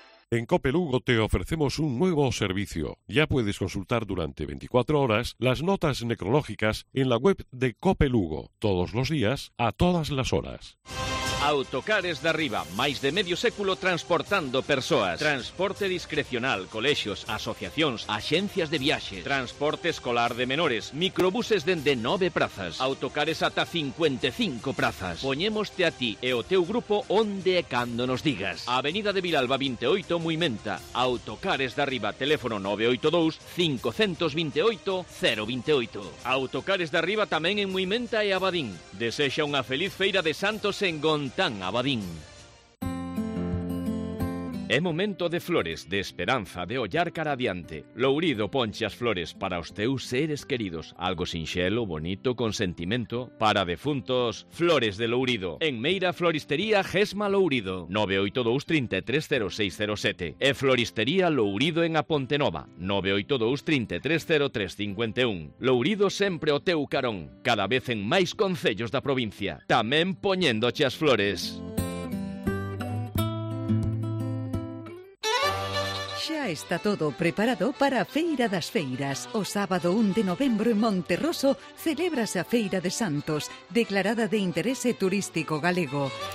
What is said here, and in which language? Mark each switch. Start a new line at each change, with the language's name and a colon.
Spanish: En COPE Lugo te ofrecemos un nuevo servicio. Ya puedes consultar durante 24 horas las notas necrológicas en la web de COPE Lugo. Todos los días, a todas las horas.
Galician: Autocares de Arriba, máis de medio século transportando persoas. Transporte discrecional, colexios, asociacións, axencias de viaxe. Transporte escolar de menores, microbuses dende 9 prazas. Autocares ata 55 prazas. Poñémoste a ti e o teu grupo onde e cando nos digas. Avenida de Vilalba 28, Muimenta. Autocares de Arriba, teléfono 982-528-028. Autocares de Arriba tamén en Muimenta e Abadín. Desexa unha feliz feira de Santos en Gondi. Tan Abadín. É momento de flores, de esperanza, de ollar cara adiante. Lourido ponche as flores para os teus seres queridos. Algo sinxelo, bonito, con sentimento. Para defuntos, flores de Lourido. En Meira Floristería Gesma Lourido. 982-330607. E Floristería Lourido en Apontenova. 982-330351. Lourido sempre o teu carón. Cada vez en máis concellos da provincia. Tamén poñéndoche as flores. Xa está todo preparado para a Feira das Feiras. O sábado 1 de novembro en Monterroso celébrase a Feira de Santos, declarada de interese turístico galego.